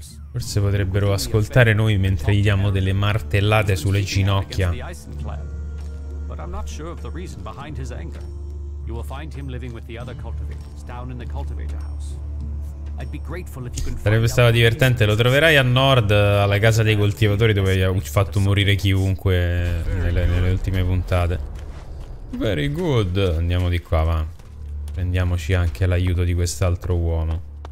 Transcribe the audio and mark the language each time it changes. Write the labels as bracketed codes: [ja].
[it] Forse potrebbero ascoltare noi mentre gli diamo delle martellate sulle ginocchia. [en] I'm not sure of the reason behind his anger. You will find him living with the other cultivators down in the cultivator house. I'd be grateful if you can. [it] Sarebbe stato divertente, lo troverai a nord alla casa dei coltivatori dove ha fatto morire chiunque nelle ultime puntate. [en] Very good. [it] Andiamo di qua, va. Prendiamoci anche l'aiuto di quest'altro uomo.